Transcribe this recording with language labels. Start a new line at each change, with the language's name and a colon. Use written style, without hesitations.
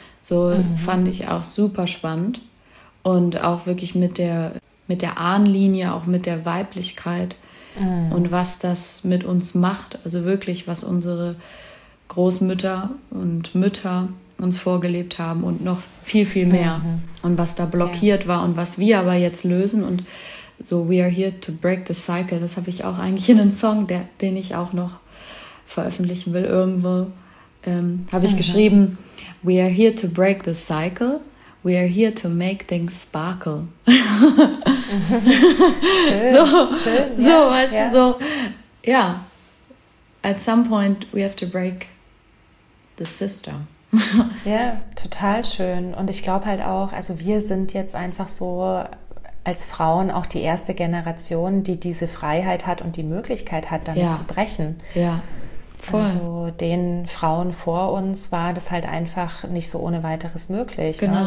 German: So fand ich auch super spannend. Und auch wirklich mit der Ahnenlinie, auch mit der Weiblichkeit und was das mit uns macht. Also wirklich, was unsere Großmütter und Mütter uns vorgelebt haben und noch viel, viel mehr. Und was da blockiert war und was wir aber jetzt lösen. Und so,
English: we are here to break the cycle.
German: Das habe ich auch eigentlich in einem Song, den ich auch noch veröffentlichen will irgendwo, habe ich geschrieben,
English: we are here to break the cycle. We are here to make things sparkle.
German: Schön, weißt du.
English: At some point we have to break the system.
German: Ja, total schön. Und ich glaube halt auch, also wir sind jetzt einfach so als Frauen auch die erste Generation, die diese Freiheit hat und die Möglichkeit hat, damit zu brechen. Ja. Voll. Also den Frauen vor uns war das halt einfach nicht so ohne weiteres möglich, genau. Ne?